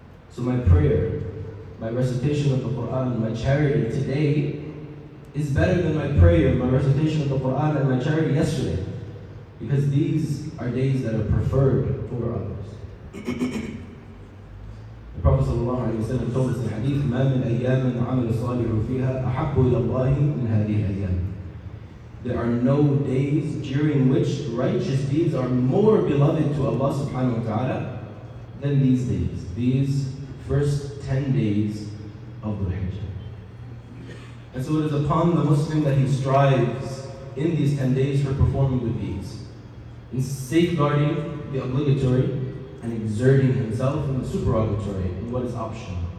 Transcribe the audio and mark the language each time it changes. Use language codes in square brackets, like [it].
[en] So my prayer, my recitation of the Qur'an, my charity today is better than my prayer, my recitation of the Qur'an, and my charity yesterday. Because these are days that are preferred over others. The Prophet sallallahu alaihi wasallam told us in hadith, [ar] مَا مِنْ أَيَّامٍ عَمِلُ صَالِحُ فِيهَا أَحَبُّ إِلَى اللَّهِ مِنْ هَذِهِ الْأَيَّامِ. [en] There are no days during which righteous deeds are more beloved to Allah subhanahu wa ta'ala than these days, these first 10 days of Dhul-Hijjah. And so it is upon the Muslim that he strives in these 10 days for performing good deeds, in safeguarding the obligatory and exerting himself in the supererogatory, in what is optional.